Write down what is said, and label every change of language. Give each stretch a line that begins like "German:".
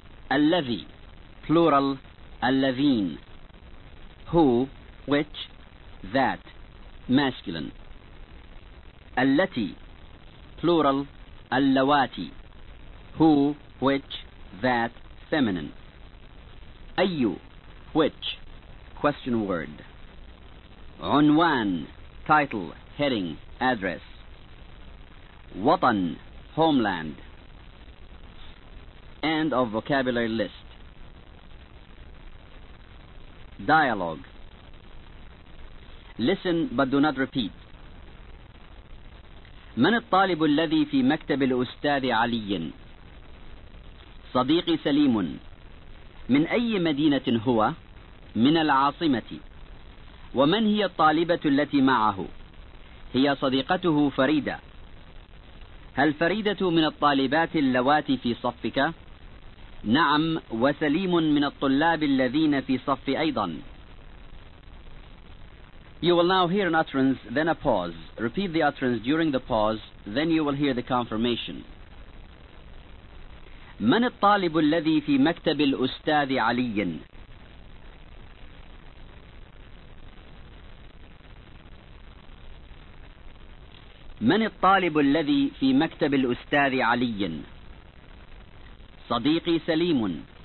Arabic: الذي, plural, الذين.
English: Who, which, that, masculine.
Arabic: التي, plural, اللواتي.
English: Who, which, that, feminine. أي, which, question word. عنوان, title, heading, address. وطن, homeland. End of vocabulary list. Dialogue. Listen but do not repeat.
Arabic: من الطالب الذي في مكتب الأستاذ علي؟ صديقي سليم. من أي مدينة هو؟ من العاصمة. ومن هي الطالبة التي معه؟ هي صديقته فريدة. هل فريدة من الطالبات اللواتي في صفك؟ نعم، وسليم من الطلاب الذين في صف أيضا.
English: You will now hear an utterance, then a pause. Repeat the utterance during the pause, then you will hear the confirmation.
Arabic: من الطالب الذي في مكتب الأستاذ علي؟ من الطالب الذي في مكتب الأستاذ علي؟ صديقي سليم.